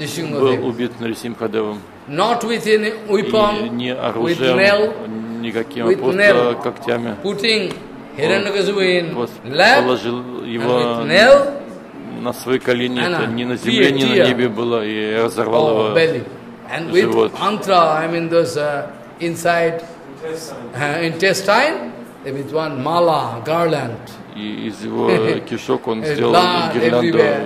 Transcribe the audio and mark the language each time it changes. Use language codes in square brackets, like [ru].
[ru] Был убит Нрисимхадевом. [en] Not with any weapon, [ru] не оружием, [en] with nail, [ru] никаким, [en] with [ru] просто [en] nail, [ru] когтями. [en] Putting Hiranyakashipu in lap, [ru] положил его [en] with nail, [ru] на свои колени, это не на земле, не на небе было, и разорвал его [en] belly. And [ru] живот. [en] With antra, I mean those inside intestine, with one mala, garland. [ru] И из его кишок он сделал гирлянду.